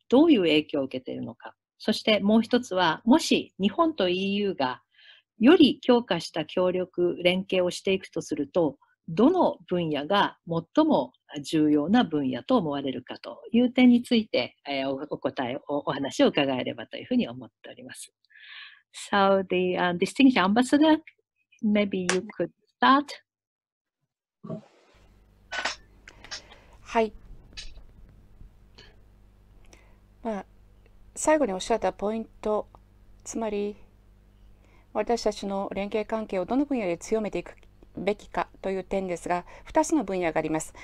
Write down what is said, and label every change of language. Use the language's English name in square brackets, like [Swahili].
[Japanese] どういう影響を受けているのか、そしてもう一つは、もし日本と EU がより強化した協力連携をしていくとすると、どの分野が最も重要な分野と思われるかという点について、お話を伺えればというふうに思っております。 [English] So the distinguished ambassador, maybe you could start. [Japanese] はい、まあ、最後におっしゃったポイント、つまり私たちの連携関係をどの分野で強めていくべきかという点ですが、2つの分野があります。